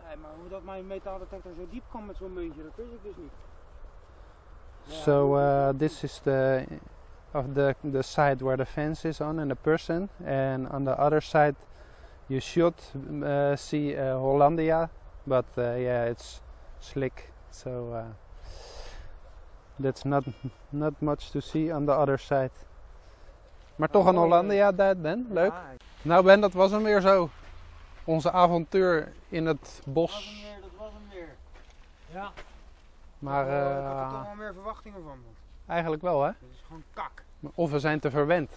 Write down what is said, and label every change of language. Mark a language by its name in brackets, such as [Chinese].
[Dutch] Hey, maar hoe dat mijn metaaldetector zo diep kan met zo'n muntje, dat weet ik dus niet. [English] So, this is the... Of the side where the fence is on and the person, and on the other side you should see Hollandia, but yeah, it's slick, so that's not much to see on the other side. [Dutch] Maar toch een Hollandia Duit, Ben, leuk. Ja. Nou Ben, dat was hem weer zo, onze avontuur in het bos. Dat was hem weer. Ja. Maar ik had er toch wel meer verwachtingen van. Eigenlijk wel, hè? Het is gewoon kak. Of we zijn te verwend.